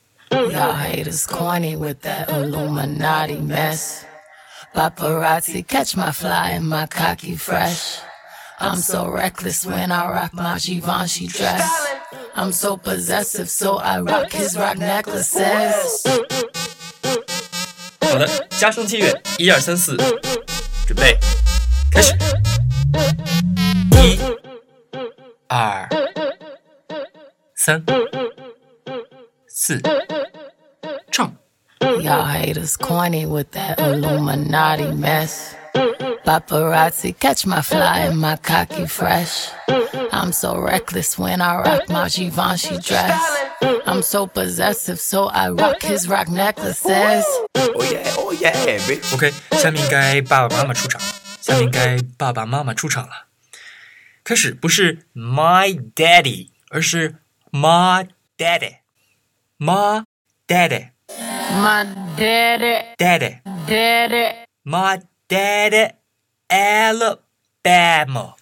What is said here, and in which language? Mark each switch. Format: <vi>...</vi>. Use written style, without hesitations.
<en>Y'all haters corny with that Illuminati mess. Paparazzi catch my fly and my cocky fresh. I'm so reckless when I rock my Givenchy dress. I'm so possessive, so I rock his rock necklaces.</en> <zh>好的，加上器乐，一二三四，准备，开始。一、二、三、四。</zh> <en>Y'all haters corny with that Illuminati mess. Paparazzi catch my fly and my cocky fresh. I'm so reckless when I rock my Givenchy dress. I'm so possessive, so I rock his rock necklaces. Oh yeah, oh yeah, bitch.</en> <zh>OK, 下面该爸爸妈妈出场。下面该爸爸妈妈出场了。开始不是</zh> <en>my daddy,</en> <zh>而是</zh> <en>my dædæ. My dædæ. My dædæ, dædæ, dædæ, my dædæ, æ了bæ么。</en>